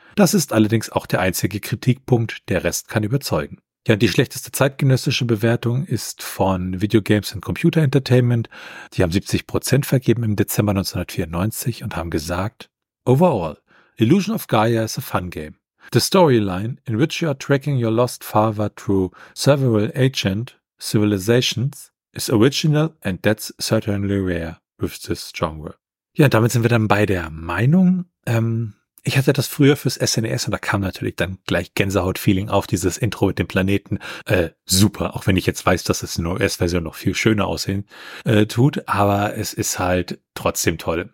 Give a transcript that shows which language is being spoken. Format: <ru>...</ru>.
<de>Das ist allerdings auch der einzige Kritikpunkt, der Rest kann überzeugen. Ja, die schlechteste zeitgenössische Bewertung ist von Video Games and Computer Entertainment. Die haben 70% vergeben im Dezember 1994 und haben gesagt,</de> <en>Overall, Illusion of Gaia is a fun game. The storyline, in which you are tracking your lost father through several ancient civilizations, is original and that's certainly rare with this genre.</en> <de>Ja, damit sind wir dann bei der Meinung. Ich hatte das früher fürs SNES und da kam natürlich dann gleich Gänsehaut-Feeling auf, dieses Intro mit dem Planeten. Super, auch wenn ich jetzt weiß, dass es in der US-Version noch viel schöner aussehen tut, aber es ist halt trotzdem toll.</de>